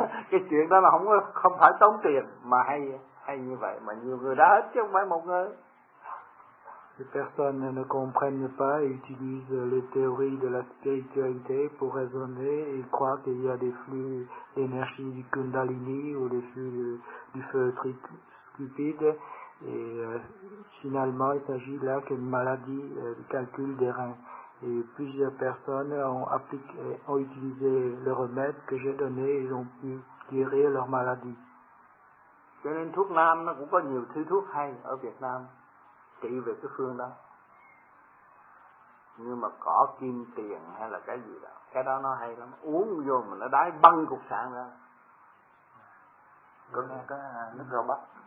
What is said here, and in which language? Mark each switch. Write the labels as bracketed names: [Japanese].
[Vietnamese] Cái chuyện đó là không phải tốn tiền mà hay như vậy, mà nhiều người đã hết chứ không phải một người. [French] Ces personnes ne comprennent pas et utilisent les théories de la spiritualité pour raisonner. Ils croient qu'il y a des flux d'énergie du Kundalini ou des flux du feu cupide. Et finalement, il s'agit là qu'une maladie du calcul des reins. Et plusieurs personnes ont utilisé le remède que j'ai donné et ont pu guérir leur maladie. [Vietnamese] Cho nên thuốc Nam nó cũng có nhiều thứ thuốc hay ở Việt Nam. Trị về cái phương đó, nhưng mà cỏ kim tiền hay là cái gì đó, cái đó nó hay lắm, uống vô mà nó đái băng cục sạn ra. Có nghe cái nước rau bắp